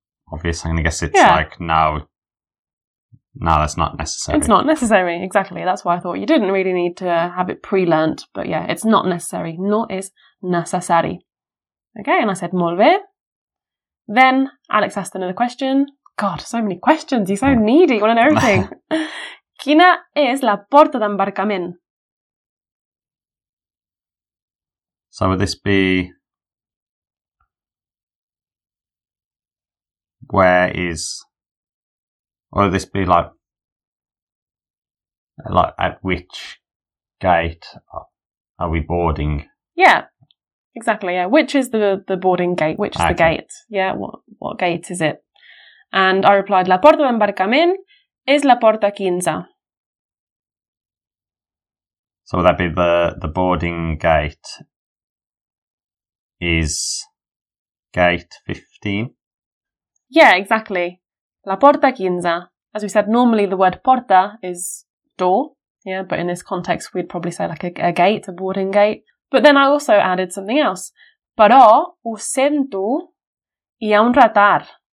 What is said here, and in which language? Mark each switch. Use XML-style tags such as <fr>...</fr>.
<en>Obviously, I'm going to guess it's like, no, that's not necessary. It's not necessary, exactly. That's why I thought you didn't really need to have it pre-learnt. But yeah, it's not necessary.</en> <es>No es necesario.</es> <en>Okay, and I said, molve. Then Alex asked another question. God, so many questions. You're so needy. You want to know everything.</en> <es>¿Quina es la puerta de embarcamiento?</es> <en>So would this be... Where is, or would this be like at which gate are we boarding? Yeah, exactly. Yeah, which is the boarding gate? Which is the gate? Yeah, what gate is it? And I replied,</en> <es>la puerta de embarcamiento es la puerta 15.</es> <en>So would that be the boarding gate is gate 15? Yeah, exactly.</en> <es>La puerta 15.</es> <en>As we said, normally the word puerta is door. Yeah, but in this context, we'd probably say like a gate, a boarding gate. But then I also added something else.</en> <ca>Però ho sento hi ha un retard.</ca>